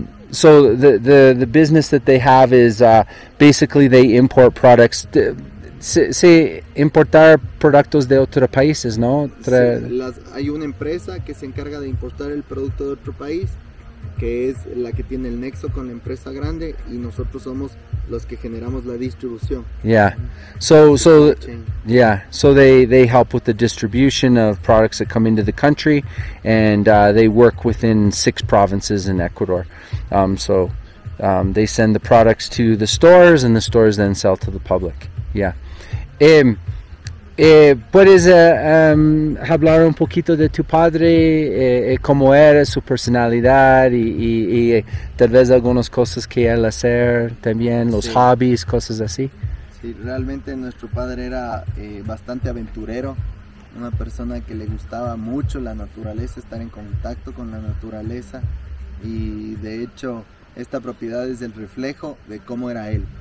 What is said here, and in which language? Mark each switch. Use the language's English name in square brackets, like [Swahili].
[English] So the business that they have is basically they import products. [Spanish] Sí, importar productos de otros países, ¿no? Hay una empresa que se encarga de importar el producto de otro país, que es la que tiene el nexo con la empresa grande, y nosotros somos los que generamos la distribución. [English] Yeah. [Spanish] La [English] So supply chain. yeah. So they help with the distribution of products that come into the country, and they work within six provinces in Ecuador. They send the products to the stores, and the stores then sell to the public. Yeah. [Spanish] ¿Puedes hablar un poquito de tu padre, cómo era su personalidad y tal vez algunas cosas que él hacer también, los Sí. hobbies, cosas así? Sí, realmente nuestro padre era bastante aventurero, una persona que le gustaba mucho la naturaleza, estar en contacto con la naturaleza, y de hecho esta propiedad es el reflejo de cómo era él.